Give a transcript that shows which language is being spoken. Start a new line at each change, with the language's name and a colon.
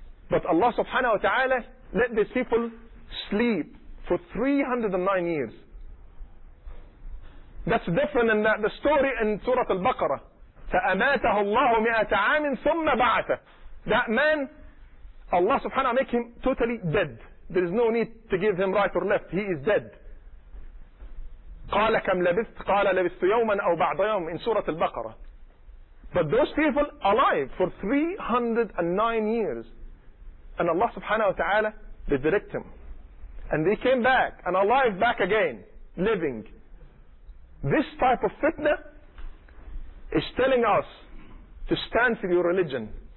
English: But Allah subhanahu wa ta'ala let these people sleep for 309 years. That's different than that. The story in Surah Al-Baqarah.
Arabic: فَأَمَاتَهُ اللَّهُ مِئَةَ عَامٍ ثُمَّ بَعَثَ.
English: That man, Allah subhanahu wa ta'ala make him totally dead. There is no need to give him right or left. He is dead.
Arabic: قَالَ كَمْ لَبِثْتُ قَالَ لَبِثْتُ يَوْمًا أَوْ بَعْضَ يَوْمٍ
English: in Surah Al-Baqarah. But those people alive for 309 years. And Allah subhanahu wa ta'ala, they direct him. And they came back, and alive back again, living. This type of fitna is telling us to stand for your religion.